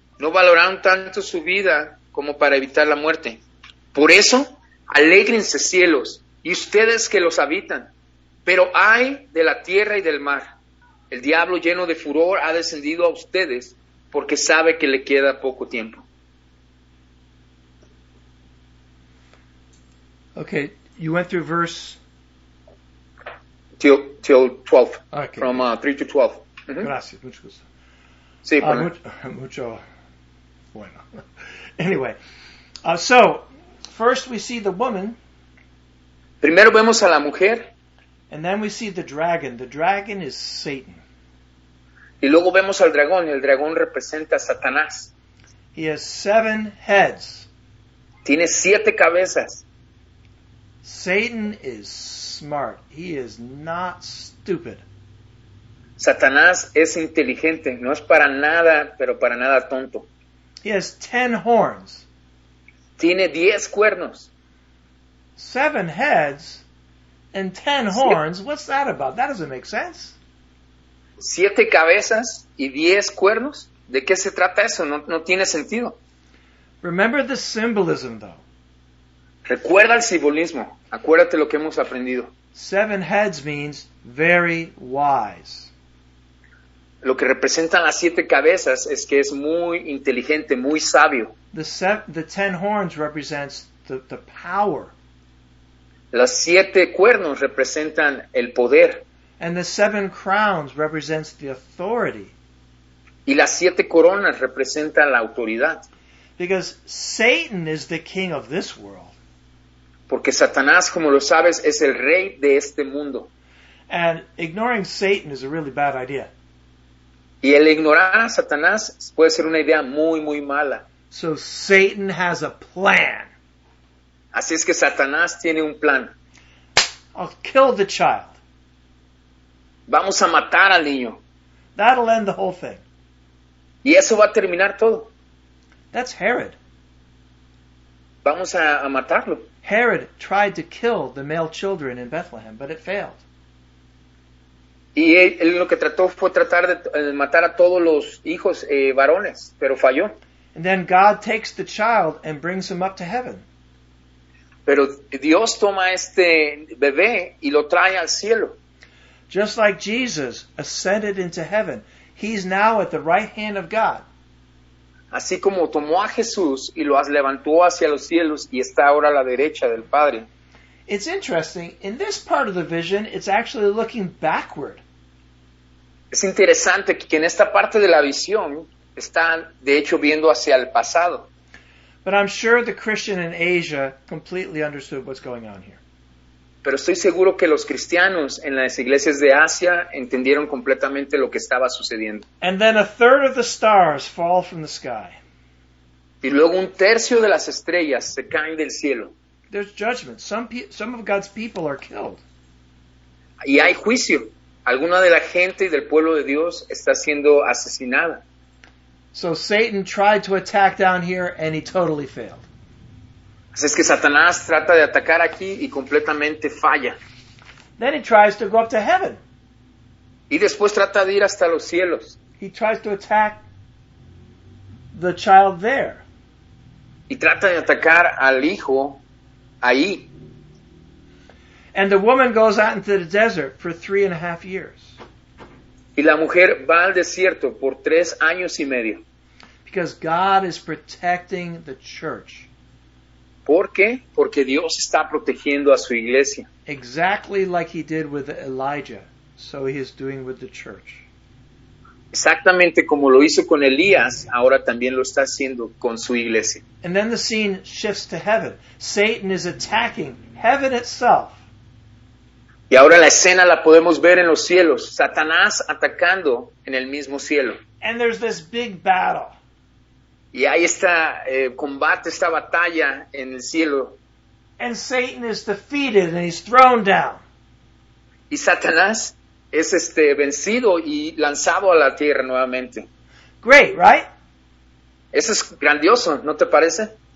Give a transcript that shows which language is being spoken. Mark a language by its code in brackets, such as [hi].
[es] No valoraron tanto su vida como para evitar la muerte. Por eso, alégrense cielos, y ustedes que los habitan, pero ay de la tierra y del mar. El diablo lleno de furor ha descendido a ustedes porque sabe que le queda poco tiempo. [en] Okay, you went through verse... Till 12, okay. From 3 to 12. [es] Mm-hmm. Gracias, mucho gusto. Sí, bueno. Mucho bueno. [en] Anyway, so, first we see the woman. [es] Primero vemos a la mujer. [en] And then we see the dragon. The dragon is Satan. [es] Y luego vemos al dragón. El dragón representa a Satanás. [en] He has 7 heads. [es] Tiene 7 cabezas. [en] Satan is smart. He is not stupid. [es] Satanás es inteligente. No es para nada, pero para nada tonto. [en] He has 10 horns. [es] Tiene 10 cuernos. [en] 7 heads and 10 horns. What's that about? That doesn't make sense. [es] 7 cabezas y 10 cuernos. ¿De qué se trata eso? No, no tiene sentido. [en] Remember the symbolism, though. [es] Recuerda el simbolismo. Acuérdate lo que hemos aprendido. [en] 7 heads means very wise. [es] Lo que representan las 7 cabezas es que es muy inteligente, muy sabio. [en] The 10 horns represents the power. [es] Las 7 cuernos representan el poder. [en] And the 7 crowns represents the authority. [es] Y las 7 coronas representan la autoridad. [en] Because Satan is the king of this world. [es] Porque Satanás, como lo sabes, es el rey de este mundo. [en] And ignoring Satan is a really bad idea. [es] Y el ignorar a Satanás puede ser una idea muy, muy mala. [en] So Satan has a plan. [es] Así es que Satanás tiene un plan. [en] I'll kill the child. [es] Vamos a matar al niño. [en] That'll end the whole thing. [es] Y eso va a terminar todo. [en] That's Herod. [es] Vamos a matarlo. [en] Herod tried to kill the male children in Bethlehem, but it failed. [es] Y él lo que trató fue tratar de matar a todos los hijos varones, pero falló. [en] And then God takes the child and brings him up to heaven. [es] Pero Dios toma este bebé y lo trae al cielo. [en] Just like Jesus ascended into heaven, he's now at the right hand of God. [es] Así como tomó a Jesús y lo levantó hacia los cielos y está ahora a la derecha del Padre. [en] It's interesting. In this part of the vision, it's actually looking backward. [es] Es interesante que en esta parte de la visión está, de hecho, viendo hacia el pasado. [en] But I'm sure the Christian in Asia completely understood what's going on here. [es] Pero estoy seguro que los cristianos en las iglesias de Asia entendieron completamente lo que estaba sucediendo. [en] And then a third of the stars fall from the sky. [es] Y luego un tercio de las estrellas se caen del cielo. [en] There's judgment. Some of God's people are killed. [es] Y hay juicio. Alguna de la gente y del pueblo de Dios está siendo asesinada. [en] So Satan tried to attack down here and he totally failed. [es] Así es que Satanás trata de atacar aquí y completamente falla. [en] Then he tries to go up to heaven. [es] Y después trata de ir hasta los cielos. [en] He tries to attack the child there. [es] Y trata de atacar al hijo ahí. [en] And the woman goes out into the desert for 3.5 years. [es] Y la mujer va al desierto por 3 años y medio. [en] Because God is protecting the church. [es] ¿Por qué? Porque Dios está protegiendo a su iglesia. [en] Exactly like he did with Elijah, so he is doing with the church. [es] Exactamente como lo hizo con Elías, ahora también lo está haciendo con su iglesia. [en] And then the scene shifts to heaven. Satan is attacking heaven itself. [es] Y ahora la escena la podemos ver en los cielos. Satanás atacando en el mismo cielo. [en] And there's this big battle. [es] Y hay este combate, esta batalla en el cielo. [en] And Satan is defeated and he's thrown down. [es] Y Satanás es vencido y lanzado a la tierra nuevamente. [en] great, right? [es] Eso es grandioso, ¿no te parece?